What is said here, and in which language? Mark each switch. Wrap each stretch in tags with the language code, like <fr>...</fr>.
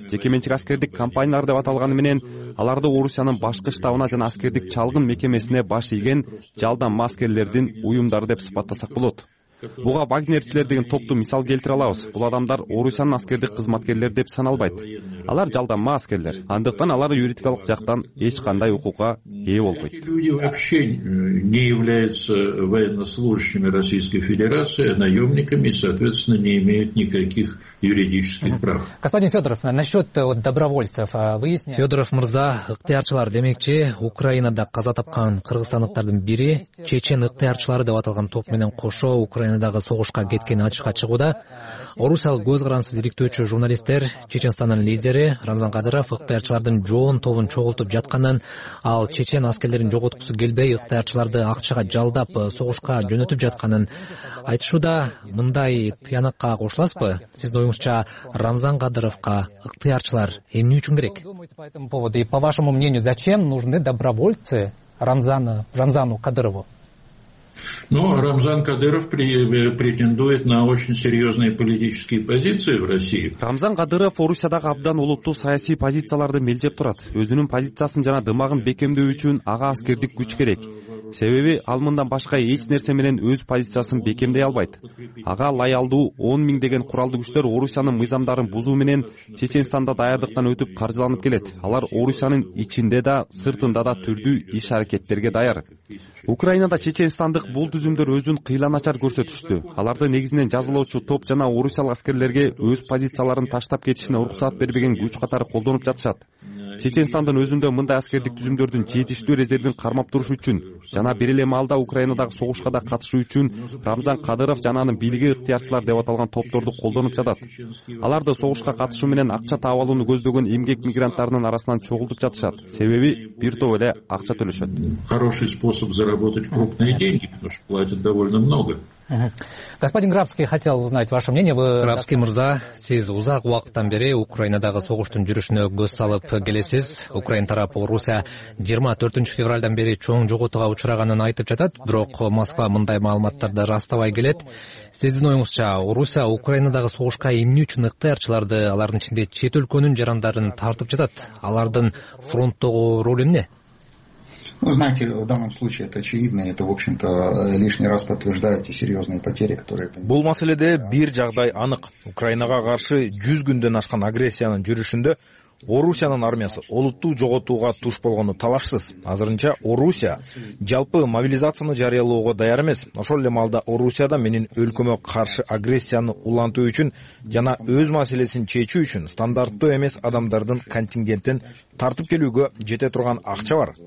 <ky>Жеке менчик аскердик компаниялар деп аталганы менен аларды Орусиянын башкы штабына жана аскердик чалгын мекемесине баш ийген жалдамма аскерлердин уюмдары деп сыпаттасак болот. Буга вагнерчилер деген топту мисал келтире алабыз. Бул адамдар Орусиянын аскердик кызматкерлери деп саналбайт. Алар жалдамма аскерлер. Андыктан алар юридикалык жактан эч кандай укукка ээ болбойт.</ky> <ru>Эти люди вообще не являются военнослужащими Российской Федерации, а наемниками, и, соответственно, не имеют никаких юридических прав. Господин Федоров, насчет добровольцев выясняем.</ru> <ky>Федоров мырза, ыктыярчылар демекчи, Украинада каза тапкан кыргызстандыктардын бири чечен ыктыярчылары деп аталган топ менен кошо Украинадагы согушка кеткени ачыкка чыгууда. Орусиялык көз карансыз иликтөөчү журналисттер Чеченстандын лидери Рамзан Кадыров ыктыярчылардын жоон тобун чогултуп жатканын, ал чечен аскерлерин жоготкусу келбей ыктыярчыларды акчага жалдап согушка жөнөтүп жатканын айтышууда. Мындай тыянакка кошуласызбы? Сиздин оюңузча Рамзан Кадыровго ыктыярчылар эмне үчүн керек?</ky> <ru>И по вашему мнению, зачем нужны добровольцы Рамзану Кадырову? Но Рамзан Кадыров претендует на очень серьезные политические позиции в России.</ru> <ky>Рамзан Кадыров Орусиядагы абдан олуттуу саясий позицияларды мелдеп турат. Өзүнүн позициясын жана дымагын бекемдөө үчүн ага аскердик күч керек. Себеби ал мындан башка эч нерсе менен өз позициясын бекемдей албайт. Ага лаялдуу 10 000 деген куралдуу күчтөр Орусиянын мыйзамдарын бузуу менен Чеченстанда даярдыктан өтүп каржыланып келет. Алар Орусиянын ичинде да, сыртында да түрдүү иш аракеттерге даяр. Украинада чечестандык бул түзүмдөр өзүн кыйланачар көрсөтүштү. Аларды негизинен жазалоочу топ жана орусиялык аскерлерге өз позицияларын таштап кетишине уруксат бербеген күч катары колдонуп жатышат. Чечестандын өзүндө мындай аскердик түзүмдөрдүн жетиштүү резервин кармап туруш үчүн жана бир эле маалда Украинадагы согушка да катышуу үчүн Рамзан Кадыров жана анын бийлиги ыктыярчылар деп аталган топторду колдонуп жатат. Аларды согушка катышуу менен акча таап алууну көздөгөн эмгек мигранттарынын арасынан чогултуп жатышат. Себеби бир топ эле акча төлөшөт.</ky> <ru>Хороший способ заработать крупные деньги, потому что платят довольно много. Господин Грабский, хотел узнать ваше мнение. Вы...</ru> <ky>Грабский мырза, сиз узак убакыттан бери Украинадагы согуштун жүрүшүнө көз салып келесиз. Украина тарапы Орусия 24 февралдан бери чоң жоготууга учураганын айтып жатат, бирок Москва мындай маалыматтарды ырастабай келет. Сиздин оюңузча, Орусия Украинадагы согушка эмне үчүн ыктыярчыларды, алардын ичинде чет өлкөнүн жарандарын тартып жатат? Алардын фронттогу ролу эмне?</ky> <ru>Ну, знаете, в данном случае это очевидно, это, в общем-то, лишний раз подтверждает те серьезные потери, которые...</ru> <ky>Бул маселеде бир жагдай анык. Украинага каршы 100 күндөн ашкан агрессиянын жүрүшүндө Орусиянын армиясы олуттуу жоготууга туш болгону талашсыз. Азырынча Орусия жалпы мобилизацияны жарыялоого даяр эмес. Ошол эле маалда Орусияда менин өлкөмө каршы агрессияны улантуу үчүн жана өз маселесин чечүү үчүн стандарттуу эмес адамдардын контингентин тартып келүүгө жете турган акча бар.</ky>